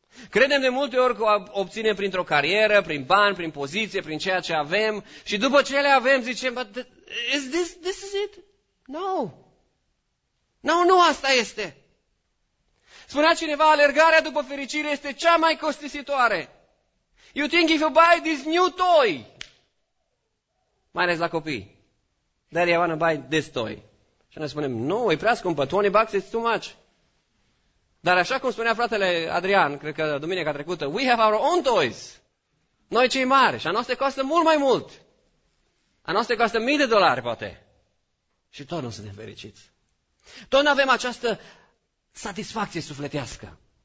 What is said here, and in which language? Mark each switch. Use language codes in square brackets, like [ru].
[ro] Credem de multe ori că o obținem printr-o carieră, prin bani, prin poziție, prin ceea ce avem și după ce le avem zicem, [en] but this is it? [ro] Nu asta este. Spunea cineva, alergarea după fericire este cea mai costisitoare. [en] You think if you buy this new toy, [ro] mai ales la copii, [en] daddy, I want to buy this toy. [ro] Și noi spunem, nu, e prea scumpă, [en] 20 bucks is too much. [ro] Dar așa cum spunea fratele Adrian, cred că duminica trecută, [en] we have our own toys. [ro] Noi cei mari, și a noastră costă mult mai mult. A noastră costă $1,000, poate. Și tot nu suntem fericiți. Tot nu avem această satisfacție sufletească.